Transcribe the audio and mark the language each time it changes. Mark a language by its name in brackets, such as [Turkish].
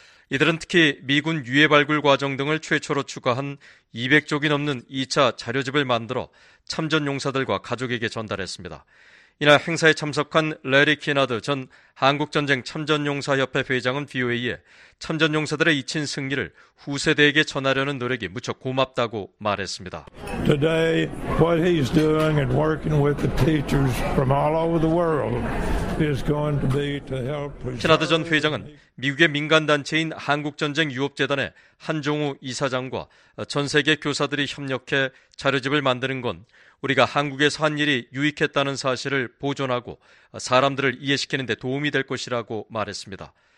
[Korean] 이들은 특히 미군 유해 발굴 과정 등을 최초로 추가한 200쪽이 넘는 2차 자료집을 만들어 참전용사들과 가족에게 전달했습니다. 이날 행사에 참석한 레리 키나드 전 한국전쟁 참전용사협회 회장은 VOA에 참전용사들의 잊힌 승리를 후세대에게 전하려는 노력이 무척 고맙다고 말했습니다. [English] Today, what he's doing and working with the teachers from all over the world is going to be to help. [Korean] 키나드 전 회장은 미국의 민간단체인 한국전쟁유업재단의 한종우 이사장과 전 세계 교사들이 협력해 자료집을 만드는 건 우리가 한국에서 한 일이 유익했다는 사실을 보존하고 사람들을 이해시키는 데 도움이 될 것이라고 말했습니다.